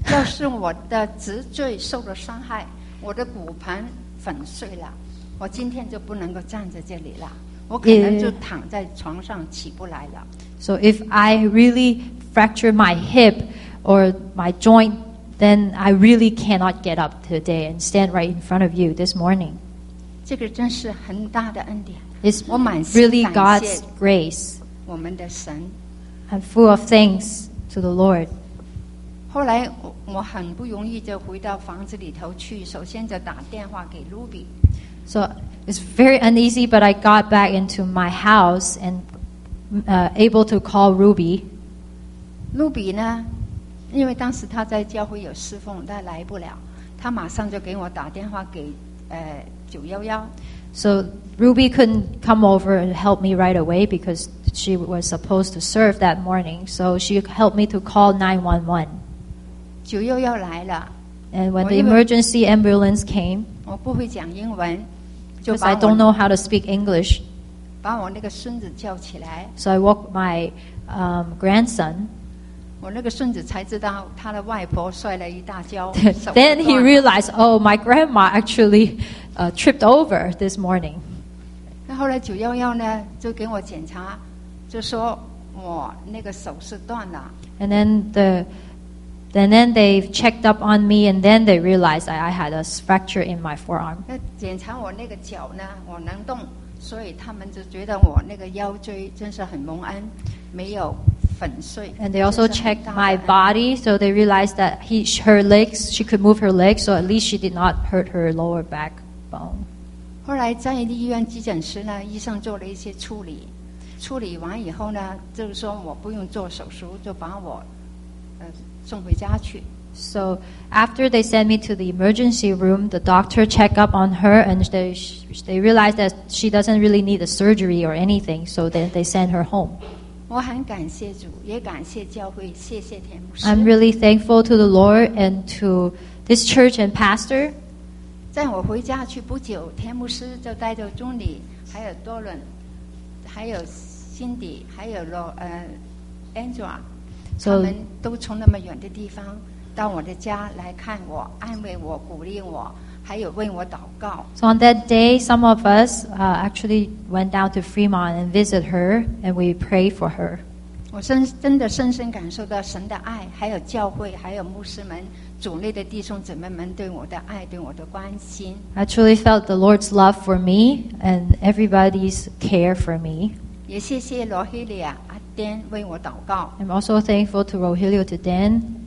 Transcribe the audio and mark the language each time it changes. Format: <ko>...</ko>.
<zh>要是我的脊椎受了伤害，我的骨盆粉碎了，我今天就不能够站在这里了，我可能就躺在床上起不来了。</zh> <en>So if I really fracture my hip or my joint, then I really cannot get up today and stand right in front of you this morning.</en> <zh>这个真是很大的恩典。</zh> <en>It's really God's grace.</en> <zh>我们的神。</zh> <en>I'm full of thanks to the Lord.</en> <zh>后来我很不容易就回到房子里头去，首先就打电话给 Ruby。</zh> <en>So it's very uneasy, but I got back into my house and able to call Ruby.</en> <zh>Ruby 呢，因为当时她在教会有侍奉，她来不了，她马上就给我打电话给911。</zh> <en>So Ruby couldn't come over and help me right away because she was supposed to serve that morning. So she helped me to call 911.</en> <zh>911来了。</zh> <en>And when the emergency ambulance came,</en> <zh>我不会讲英文。</zh> <en>Because I don't know how to speak English.</en> <zh>把我那个孙子叫起来。</zh> <en>So I woke my grandson.</en> <zh>我那个孙子才知道他的外婆摔了一大跤。</zh> <en>Then he realized, oh, my grandma actually tripped over this morning.</en> <zh>那后来911呢，就给我检查，就说我那个手是断了。</zh> <en>And then then they checked up on me, and then they realized I had a fracture in my forearm.</en> <zh>检查我那个脚呢，我能动，所以他们就觉得我那个腰椎真是很蒙恩，没有粉碎。</zh> <en>And they also checked my body, so they realized that her legs, she could move her legs, so at least she did not hurt her lower back bone.</en> <zh>后来在医院急诊室呢，医生做了一些处理，处理完以后呢，就是说我不用做手术，就把我送回家去。</zh> <en>So after they sent me to the emergency room, the doctor checked up on her, and they realized that she doesn't really need a surgery or anything. So then they sent her home.</en> <zh>我很感谢主，也感谢教会，谢谢天父。</zh> <en>I'm really thankful to the Lord and to this church and pastor.</en> <zh>在我回家去不久，天牧师就带着钟礼、还有多伦、还有辛迪、还有Angela。 So, 他们都从那么远的地方到我的家来看我，安慰我，鼓励我，还有为我祷告。</zh> <en>So on that day, some of us actually went down to Fremont and visit her, and we pray for her.</en> <zh>我真的深深感受到神的爱，还有教会，还有牧师们，主内的弟兄姊妹们对我的爱，对我的关心。</zh> <en>I truly felt the Lord's love for me and everybody's care for me.</en> <zh>也谢谢罗希利亚。Dan 为我祷告。</zh> <en>I'm also thankful to Rogelio, to Dan,</en>